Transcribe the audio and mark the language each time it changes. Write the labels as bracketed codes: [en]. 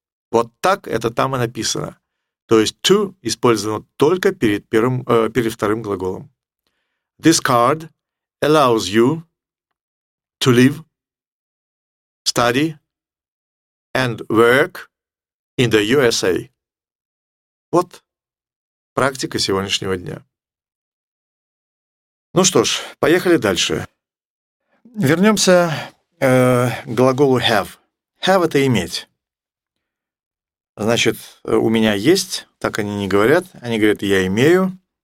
[ru] Вот так это там и написано. То есть to использовано только перед первым, перед вторым глаголом. [en] This card allows you to live, study and work in the USA. [ru] Вот практика сегодняшнего дня. Ну что ж, поехали дальше. Вернемся к глаголу have. Have — это иметь. Значит, у меня есть, так они не говорят. Они говорят, я имею.